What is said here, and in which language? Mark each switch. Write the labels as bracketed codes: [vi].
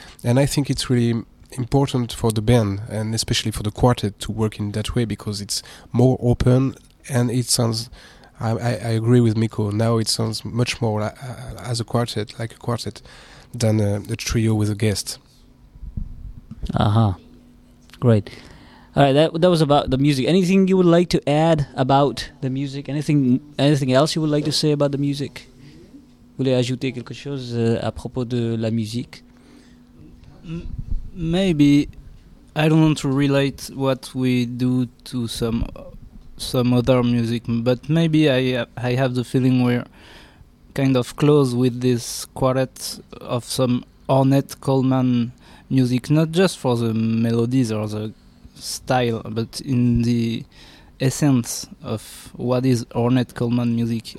[en] And I think it's really important for the band, and especially for the quartet, to work in that way, because it's more open and it sounds, I agree with Mikko, now it sounds much more as a quartet, like a quartet, than a trio with a guest. Uh-huh. Great. All right, that was about the music. Anything you would like to add about the music? Anything else you would like to say about the music? [fr] Voulez ajouter quelque chose à propos de la musique? [en] Maybe I don't want to relate what we do to some other music, but maybe I have the feeling we're kind of close with this quartet of some Ornette Coleman music, not just for the melodies or the style, but in the essence of what is Ornette Coleman music.